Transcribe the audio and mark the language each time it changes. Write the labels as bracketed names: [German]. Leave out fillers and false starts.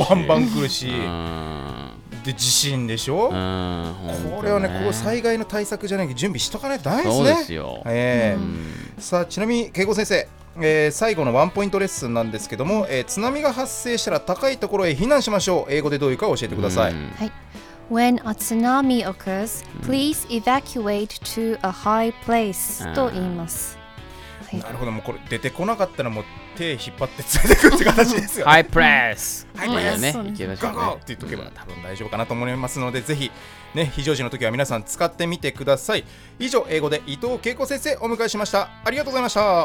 [Japanese] ワンバン来るし、で地震でしょ、うん、ね、これはね、こう災害の対策じゃないけど準備しとかないと大事ですね。そうですよ、さあ、ちなみに恵子先生、最後のワンポイントレッスンなんですけども、津波が発生したら高いところへ避難しましょう。英語でどういうか教えてください、 [English] はい、When a tsunami occurs, please evacuate to a high place [Japanese] と言います。なるほど、もうこれ出てこなかったらもう手引っ張って連れてくるって形ですよ、ね、ハイプレス、ハイプレス、ね、行けましょうね、ゴーゴーって言っとけば多分大丈夫かなと思いますので、うん、ぜひ、ね、非常時の時は皆さん使ってみてください。以上、英語で伊藤恵子先生をお迎えしました。ありがとうございました。